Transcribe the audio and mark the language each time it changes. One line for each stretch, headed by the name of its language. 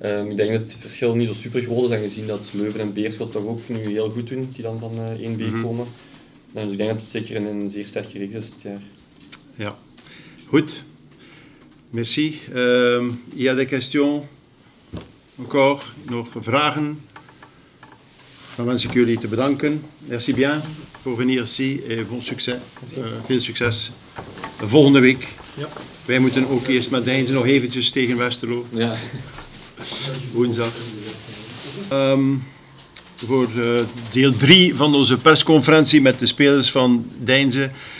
Dutch: Ik denk dat het verschil niet zo super groot is, aangezien dat Leuven en Beerschot toch ook nu heel goed doen, die dan van 1B komen. Dus ik denk dat het zeker een zeer sterke reeks is dit jaar. Ja, goed.
French: Merci. Il y a des questions? Encore?
Dutch: Nog vragen? Dan wens ik jullie te bedanken.
French: Merci bien pour venir ici et bon succès.
Dutch: Veel succes volgende week. Ja. Wij moeten ook eerst met Deinze nog eventjes tegen Westerlo. Ja. Woensdag. Voor deel 3 van onze persconferentie met de spelers van Deinze.